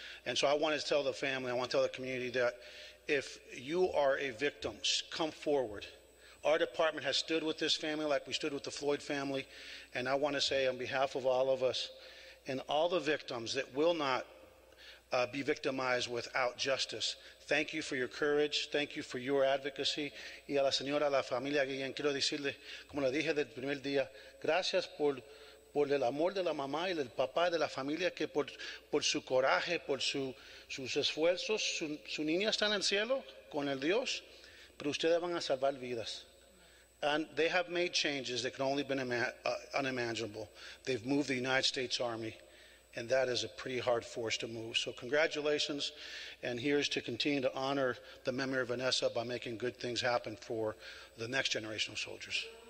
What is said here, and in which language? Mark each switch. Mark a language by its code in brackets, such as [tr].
[en] And so I want to tell the family, I want to tell the community that if you are a victim, come forward. Our department has stood with this family like we stood with the Floyd family. And I want to say on behalf of all of us and all the victims that will not be victimized without justice, thank you for your courage. Thank you for your advocacy. [es] Y a la señora, la familia Guillén, quiero decirle, como le dije del primer día, gracias por el amor de la mamá y del papá de la familia, que por su coraje, por sus esfuerzos, su niña está en el cielo con el Dios, pero ustedes van a salvar vidas. [en] And they have made changes that can only been unimaginable. They've moved the United States Army, and that is a pretty hard force to move. So congratulations, and here's to continue to honor the memory of Vanessa by making good things happen for the next generation of soldiers.